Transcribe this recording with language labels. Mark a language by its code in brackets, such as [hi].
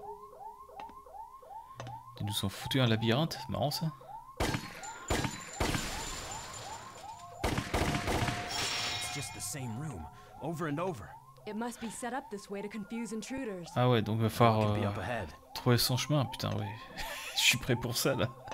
[fr] Mieux. Ils nous ont foutu un labyrinthe, c'est marrant ça. [en] It's just the same room, over and over. It must be set up this way to confuse intruders. [fr] Ah ouais, donc il va falloir trouver son chemin, putain oui. Je suis prêt pour ça là.